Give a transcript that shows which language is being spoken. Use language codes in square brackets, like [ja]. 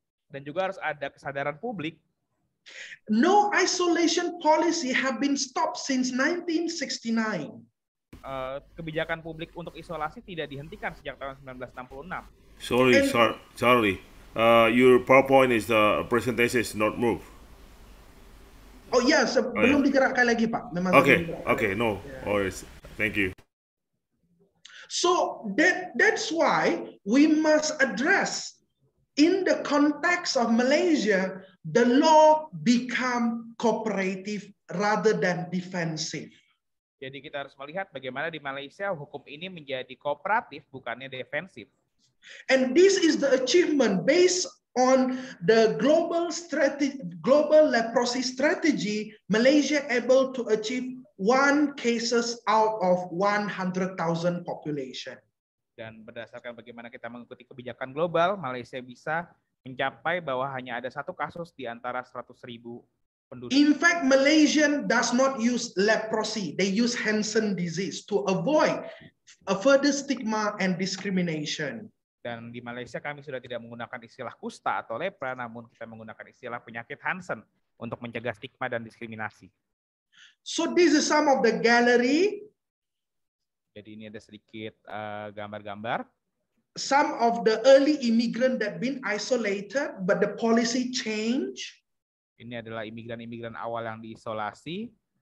[id] Dan juga harus ada kesadaran publik. [en] No isolation policy have been stopped since 1969. [id] Kebijakan publik untuk isolasi tidak dihentikan sejak tahun 1966. [en] Sorry. Your PowerPoint is the presentation is not moved. Oh yes, [id] belum digerakkan lagi Pak. Memang [en] okay. No. Yeah. All right. Thank you. So that's why we must address in the context of Malaysia, the law become cooperative rather than defensive. [id] Jadi kita harus melihat bagaimana di Malaysia hukum ini menjadi kooperatif bukannya defensif. [en] And this is the achievement based on the global leprosy strategy, Malaysia able to achieve one cases out of 100,000 population. [id] Dan berdasarkan bagaimana kita mengikuti kebijakan global, Malaysia bisa mencapai bahwa hanya ada satu kasus di antara 100,000 penduduk. [en] In fact, Malaysian does not use leprosy. They use Hansen disease to avoid a further stigma and discrimination. [id] Dan di Malaysia kami sudah tidak menggunakan istilah kusta atau lepra, namun kita menggunakan istilah penyakit Hansen untuk mencegah stigma dan diskriminasi. [en] So this is some of the gallery. [id] Jadi ini ada sedikit gambar-gambar. [en] Some of the early immigrant that been isolated, but the policy change. [id] Ini adalah imigran-imigran awal yang diisolasi.